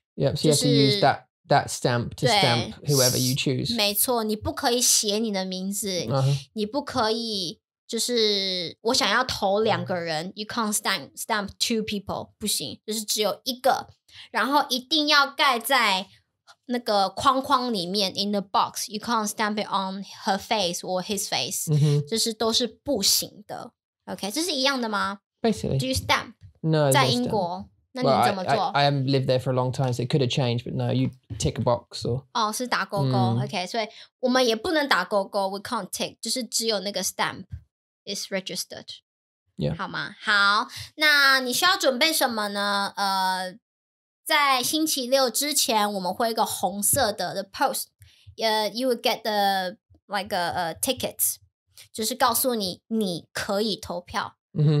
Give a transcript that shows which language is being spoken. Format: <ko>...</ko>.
<en>Yep, so you have to use that stamp to stamp whoever you choose.</en> <zh>没错，你不可以写你的名字，</zh> <en>uh-huh.</en> <zh>你不可以就是我想要投两个人、uh-huh. ，</zh> <en>you can't stamp two people，</en> <zh>不行，就是只有一个，然后一定要盖在。那个框框里面</zh> <en>in the box you can't stamp it on her face or his face、 mm-hmm.</en> <zh>就是都是不行的 OK 这是一样的吗</zh> <en>basically do you stamp no</en> <zh>在英国</zh> <en>stamp.</en> <zh>那你怎么做</zh> <en>well, I haven't lived there for a long time so it could have changed but no you tick a box or</en> <zh>哦、oh, 是打勾勾、mm. OK 所以我们也不能打勾勾</zh> <en>we can't tick</en> <zh>就是只有那个</zh> <en>stamp is registered、 yeah.</en> <zh>好吗好那你需要准备什么呢在星期六之前，我们会一个红色的</zh> <en>the post， you will get the like a ticket，</en> <zh>就是告诉你你可以投票。Mm-hmm.</zh>